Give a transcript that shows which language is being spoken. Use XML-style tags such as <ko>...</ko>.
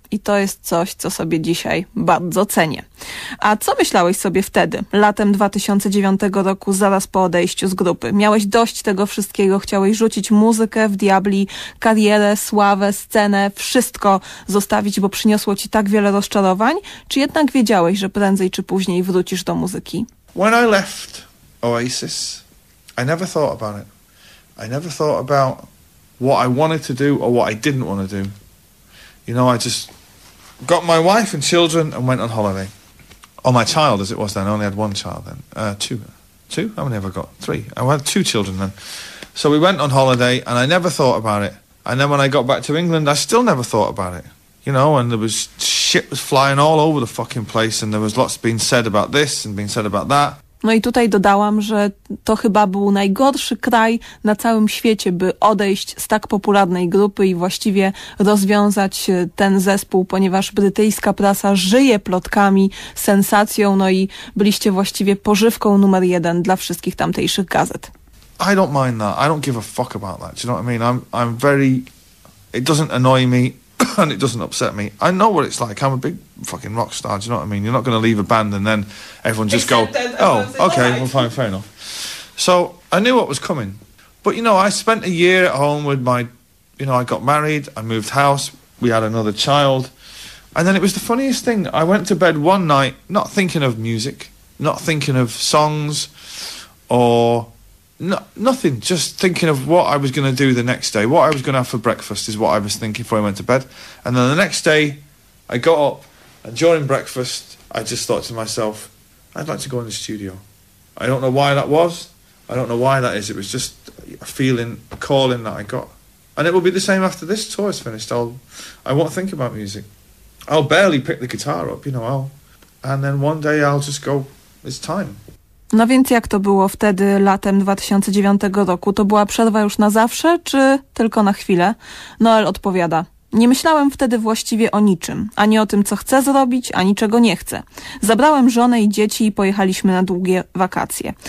<pl>I to jest coś, co sobie dzisiaj bardzo cenię. A co myślałeś sobie wtedy, latem 2009 roku, zaraz po odejściu z grupy? Miałeś dość tego wszystkiego, chciałeś rzucić muzykę w diabli, karierę, sławę, scenę, wszystko zostawić, bo przyniosło ci tak wiele rozczarowań? Czy jednak wiedziałeś, że prędzej czy później wrócisz do muzyki?</pl> <en>When I left Oasis, I never thought about it. I never thought about what I wanted to do or what I didn't want to do. You know, I just got my wife and children and went on holiday. Or my child, as it was then. I only had one child then. Two? How many have I got? Three. I had two children then. So we went on holiday and I never thought about it. And then when I got back to England, I still never thought about it. You know, and there was shit was flying all over the fucking place and there was lots being said about this and being said about that.</en> <pl>No i tutaj dodałam, że to chyba był najgorszy kraj na całym świecie, by odejść z tak popularnej grupy i właściwie rozwiązać ten zespół, ponieważ brytyjska prasa żyje plotkami, sensacją, no i byliście właściwie pożywką numer jeden dla wszystkich tamtejszych gazet.</pl> <en>I don't mind that. I don't give a fuck about that. Do you know what I mean? I'm very... It doesn't annoy me and it doesn't upset me. I know what it's like. I'm a big fucking rock star, do you know what I mean? You're not going to leave a band and then everyone just accepted, go, oh, okay, well, fine, fair enough. So I knew what was coming. But, you know, I spent a year at home with my, you know, I got married, I moved house, we had another child. And then it was the funniest thing. I went to bed one night not thinking of music, not thinking of songs or nothing, just thinking of what I was going to do the next day. What I was going to have for breakfast is what I was thinking before I went to bed. And then the next day I got up. And during breakfast, I just thought to myself, I'd like to go in the studio. I don't know why that was. I don't know why that is. It was just a feeling, a calling that I got. And it will be the same after this tour is finished. I won't think about music. I'll barely pick the guitar up, you know. And then one day I'll just go, it's time.</en> <pl>No więc jak to było wtedy, latem 2009 roku? To była przerwa już na zawsze, czy tylko na chwilę? Noel odpowiada. Nie myślałem wtedy właściwie o niczym, ani o tym, co chcę zrobić, ani czego nie chcę. Zabrałem żonę i dzieci i pojechaliśmy na długie wakacje.</pl>